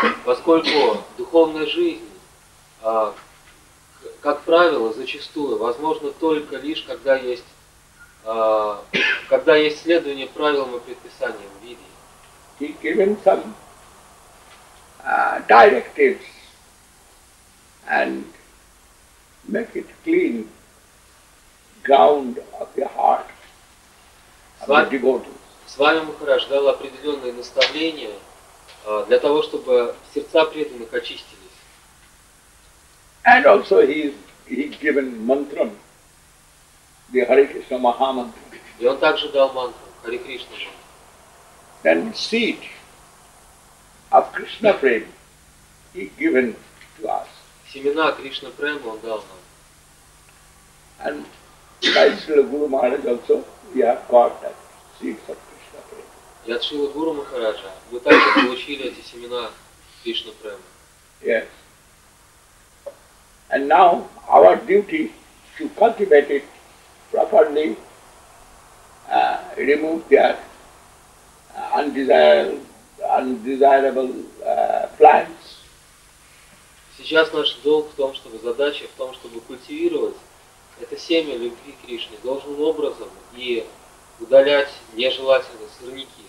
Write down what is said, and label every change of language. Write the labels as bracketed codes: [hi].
[ru] Поскольку духовная жизнь, как правило, зачастую, возможно только лишь, когда есть следование правилам и предписаниям Веды. [en] He given some directives and make it clean. Ground of your heart, of your devotees. [ru] Свами Махарадж дал определенные наставления для того, чтобы сердца преданных очистились. [en] And also he given mantram, the Hare Krishna Maha mantra. [ru] И он также дал мантру Hare Krishna. [en] Then seed of Krishna prem he given to us. [ru] Семена Кришна према он дал нам. [en] And by Srila Guru Maharaj also, we have got that seeds of Krishna prema. [ru] И от Шрилы Гуру Махараджа мы также получили эти семена Кришна Према. [en] Yes. And now our duty is to cultivate it properly, remove their undesirable plants. [ru] Сейчас наш долг в том, чтобы задача в том, чтобы культивировать это семя любви Кришны должным образом и удалять нежелательные сорняки.